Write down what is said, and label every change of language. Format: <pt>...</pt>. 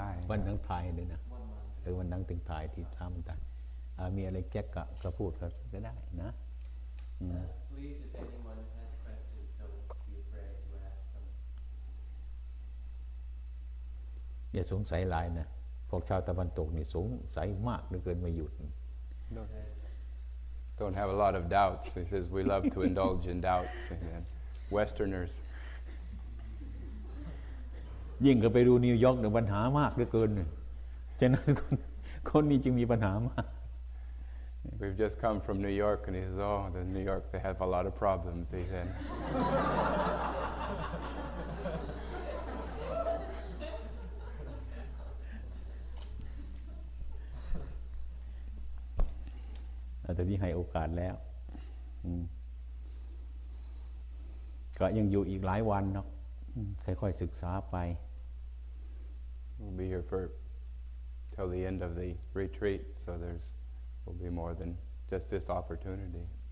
<th>วันนั้นถ่ายเลยนะวันนั้นถึงถ่ายที่ถ้ำต่างมีอะไรแก๊กก็พูดก็ได้นะ</th> <en>Please if anyone has questions don't be afraid to ask them</en> <th>อย่าสงสัยหลายนะพวกชาวตะวันตกนี่สงสัยมากเหลือเกินไม่หยุด</th> <en>Don't have a lot of doubts because we love to indulge in doubts and Westerners</en> <th>ยิ่งก็ไปดูนิวยอร์กเนี่ยปัญหามากเหลือเกินฉะนั้นคนนี้จึงมีปัญหามาก</th> <en>We've just come from New York and he says oh the New York they have a lot of problems he said</en> <th>แต่นี้ให้โอกาสแล้วก็ยังอยู่อีกหลายวันเนาะค่อยๆศึกษาไป</th> <en>We'll be here for till the end of the retreat so there's will be more than just this opportunity</en>